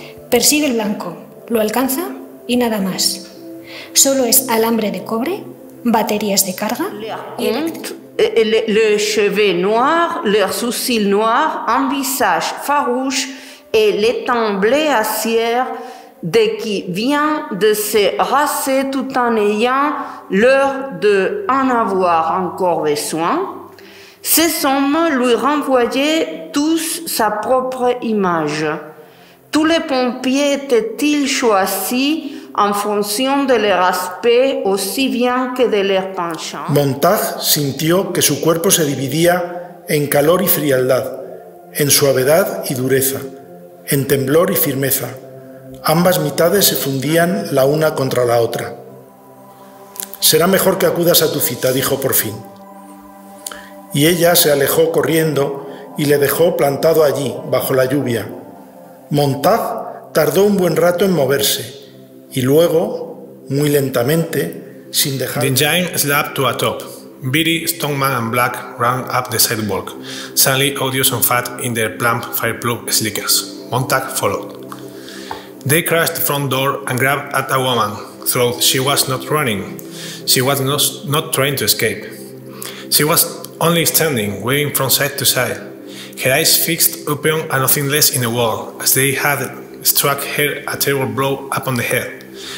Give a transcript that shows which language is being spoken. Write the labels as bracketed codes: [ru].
[es] Persigue el blanco, lo alcanza y nada más. Solo es alambre de cobre, baterías de carga. [fr] Le cheveux noir, leur sourcil noir, un visage farouche et l'étang bleu à cierre de qui vient de se raser tout en ayant l'air de en avoir encore besoin. Ces hommes lui renvoyaient tous sa propre image. Tous les pompiers étaient-ils choisis en fonction de leur aspect aussi bien que de leur penchant? [es] Montag sintió que su cuerpo se dividía en calor y frialdad, en suavidad y dureza, en temblor y firmeza. Ambas mitades se fundían la una contra la otra. «Será mejor que acudas a tu cita», dijo por fin. Y ella se alejó corriendo y le dejó plantado allí, bajo la lluvia. Montag tardó un buen rato en moverse y luego, muy lentamente, sin dejar... [en] The giant slapped to a top. Beady, stone man and black ran up the sidewalk, suddenly odious and fat in their plump fireproof slickers. Montag followed. They crashed the front door and grabbed at a woman, though she was not running. She was not trying to escape. She was only standing, waving from side to side, her eyes fixed upon a nothingness in the wall, as they had struck her a terrible blow upon the head.